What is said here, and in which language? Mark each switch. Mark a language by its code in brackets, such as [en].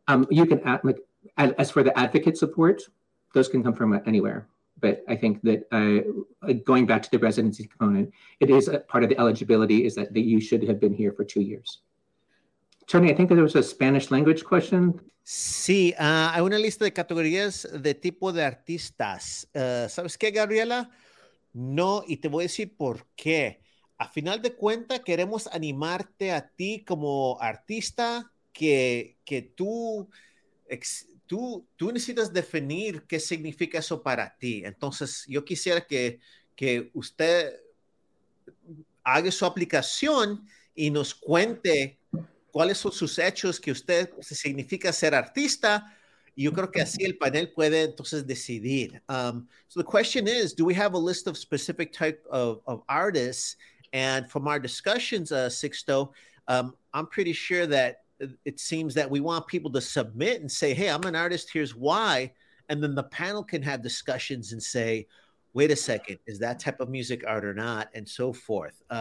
[en] You can add, like, as for the advocate support, those can come from anywhere. But I think that going back to the residency component, it is a part of the eligibility, is that you should have been here for 2 years. Tony, I think that there was a Spanish language question. [es] Sí, hay una lista de categorías de tipo de artistas. ¿Sabes qué, Gabriela? No, y te voy a decir por qué. A final de cuenta, queremos animarte a ti como artista que tú... Tú necesitas definir qué significa eso para ti. Entonces, yo quisiera que usted haga su aplicación y nos cuente cuáles son sus hechos que usted significa ser artista. Y yo creo que así el panel puede entonces decidir. [en] So the question is, do we have a list of specific type of artists? And from our discussions, Sixto, I'm pretty sure that it seems that we want people to submit and say, hey, I'm an artist, here's why. And then the panel can have discussions and say, wait a second, is that type of music art or not? And so forth.